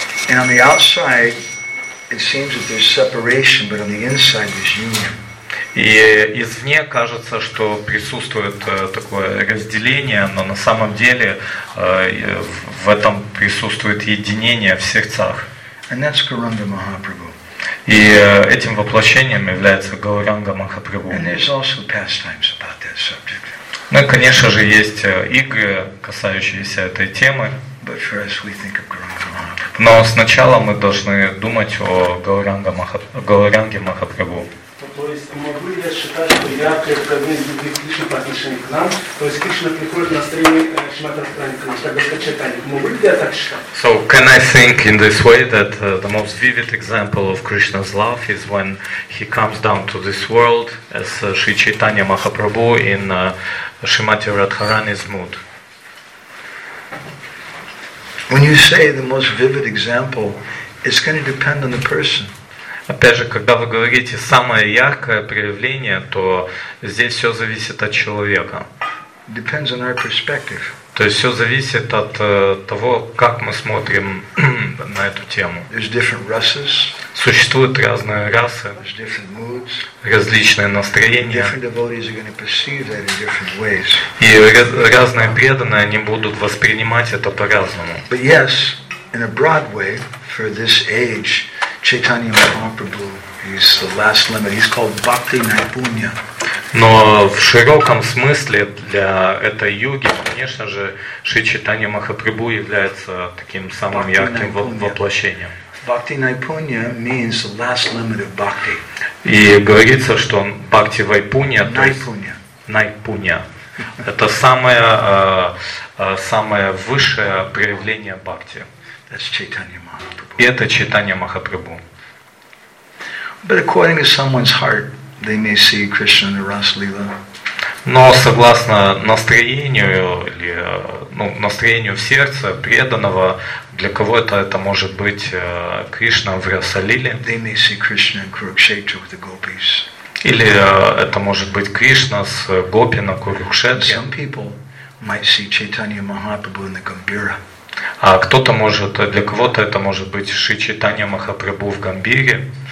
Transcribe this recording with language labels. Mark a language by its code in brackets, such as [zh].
[en] And on the outside, it seems that there's separation, but on the inside, there's union. [ru] И извне кажется, что присутствует такое разделение, но на самом деле в этом присутствует единение в сердцах. [en] And that's Gauranga Mahaprabhu. [ru] И этим воплощением является Гауранга Махапрабху. [en] And there's also pastimes about that subject. [ru] Ну, конечно же, есть игры, касающиеся этой темы. [en] But first we think of Gauranga Mahaprabhu. [ru] Но сначала мы должны думать о Гауранге Махапрабху. То есть, могу ли я считать, что я преодолею любви Кришны по отношению к нам? То есть, Кришна приходит на стриме Шримати Радхарани к нам, так бы сказать, могу ли я так считать? [en] So, can I think in this way that the most vivid example of Krishna's love is when he comes down to this world as Sri Chaitanya Mahaprabhu in Shrimati Radharani's mood? When you say the most vivid example, it's going to depend on the person. [ru] Опять же, когда вы говорите самое яркое проявление, то здесь все зависит от человека. [en] Depends on our perspective. [ru] То есть все зависит от того, как мы смотрим на эту тему. [en] There's different races. [ru] Существуют разные расы. [en] There's different moods. [ru] Различные настроения. [en] Different devotees are going to perceive that in different ways. [ru] И разные преданные они будут воспринимать это по-разному. [en] But yes, in a broad way, for this age, Chaitanya Mahaprabhu is the last limit. He's called Bhakti Naipunya. [ru] Но в широком смысле для этой юги, конечно же, Шри Чайтанья Махапрабху является таким самым ярким воплощением. [en] Бхакти Найпунья means the last limit of bhakti. [ru] И говорится, что Бхакти Вайпунья, то Найпунья. Есть Найпунья, это самое, самое высшее проявление бхакти. [en] That's Chaitanya Mahaprabhu. [ru] И это Чайтанья Махапрабху. [en] But according to someone's heart, they may see Krishna in the Ras Lila. [ru] Но согласно настроению или настроению в сердце преданного, для кого это может быть Кришна в Расалиле? [en] They may see Krishna in Kurukshetra with the gopis. [ru] Или это может быть Кришна с гопи на Курукшетре? [en] Some people might see Chaitanya Mahaprabhu in the Gambira. [ru] А кто-то может, для кого-то это может быть Шри Чайтанья Махапрабху в Гамбире.